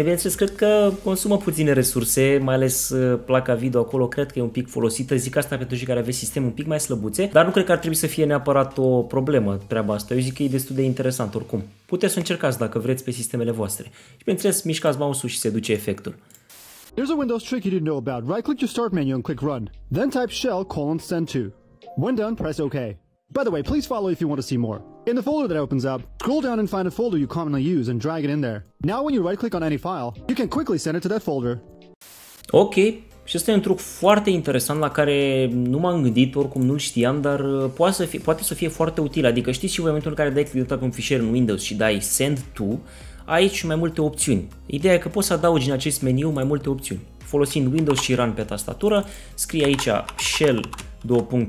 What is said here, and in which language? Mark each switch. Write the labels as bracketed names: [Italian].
[Romanian] Bineînțeles, cred că consumă puține resurse, mai ales placa video acolo, cred că e un pic folosită. Zic asta pentru cei care aveți sistem un pic mai slăbuțe, dar nu cred că ar trebui să fie neapărat o problemă treaba asta. Eu zic că e destul de interesant oricum. Puteți să încercați dacă vreți pe sistemele voastre. Și bineînțeles, mișcați mouse-ul și se duce efectul. [English] Here's a Windows trick you didn't know about. Right-click your start menu and click run. Then type shell colon send to. When done, press OK. By the way, please follow if you want to see more. In the folder that opens up, scroll down and find a folder you commonly use and drag it in there. Now when you right-click on any file, you can quickly send it to that folder. Ok. [Romanian] Și ăsta e un truc foarte interesant la care nu m-am gândit, oricum nu-l știam, dar poate să fie foarte util. Adică știți și în momentul în care dai click pe un fișier în Windows și dai Send To, ai și mai multe opțiuni. Ideea e că poți să adaugi în acest meniu mai multe opțiuni. Folosind Windows și Run pe tastatură, scrie aici Shell 2.